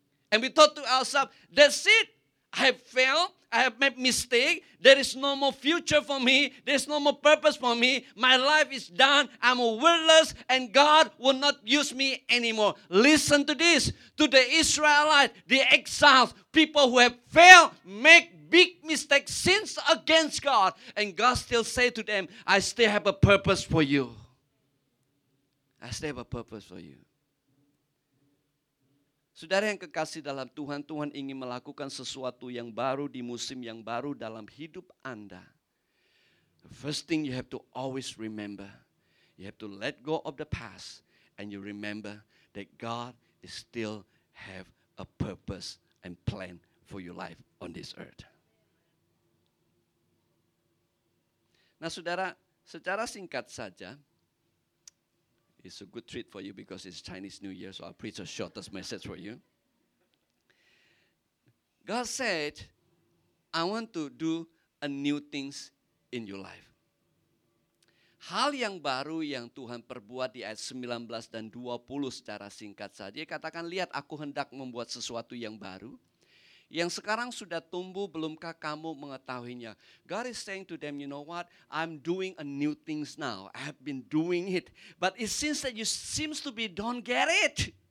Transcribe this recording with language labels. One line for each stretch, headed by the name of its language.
English: And we thought to ourselves, that's it. I have failed, I have made mistakes, there is no more future for me, there is no more purpose for me, my life is done, I'm worthless, and God will not use me anymore. Listen to this, to the Israelites, the exiles, people who have failed, make big mistakes, sins against God, and God still say to them, I still have a purpose for you. I still have a purpose for you.
Indonesian: Saudara yang kekasih dalam Tuhan, Tuhan ingin melakukan sesuatu yang baru di musim yang baru dalam hidup Anda.
English: The first thing you have to always remember, you have to let go of the past and you remember that God is still have a purpose and plan for your life on this earth.
Indonesian: Nah saudara, secara singkat saja,
English: it's a good treat for you because it's Chinese New Year, so I'll preach a shortest message for you. God said, I want to do a new things in your life.
Indonesian: hal yang baru yang Tuhan perbuat di ayat 19 dan 20 secara singkat saja. Katakan, lihat aku hendak membuat sesuatu yang baru. Yang sekarang sudah tumbuh, belumkah kamu mengetahuinya?
English: God is saying to them, you know what? I'm doing a new things now. I have been doing it. But it seems that you seems to be don't get it.